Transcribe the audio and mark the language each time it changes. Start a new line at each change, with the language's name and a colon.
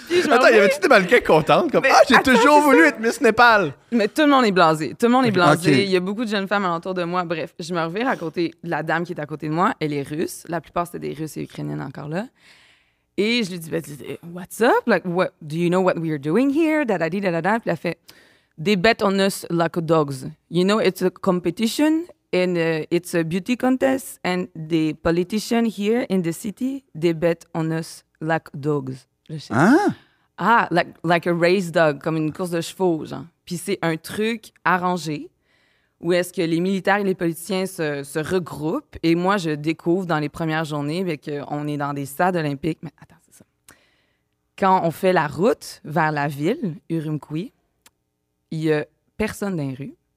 French: Attends, y avait-tu des mannequins contentes comme mais, ah, j'ai attends, toujours voulu être Miss Népal. Mais tout le monde est blasé. Tout le monde est blasé. Okay. Il y a beaucoup de jeunes femmes alentour de moi. Bref, je me reviens à côté de la dame qui est à côté de moi. Elle est russe. La plupart, c'était des Russes et Ukrainiennes encore là. Et je lui dis,
English: what's up? Like, what, do you know what we are doing here? Da-da-di-da-da-da. Puis elle fait, they bet on us like dogs. You know, it's a competition and it's a beauty contest. And the politicians here in the city, they bet on us like dogs. Ah, like a race dog,
French: comme une course de chevaux, genre. Puis c'est un truc arrangé où est-ce que les militaires et les politiciens se regroupent et moi, je découvre dans les premières journées qu'on est dans des stades olympiques. Mais attends, c'est ça. Quand on fait la route vers la ville, Ürümqi, il y a personne dans les rues.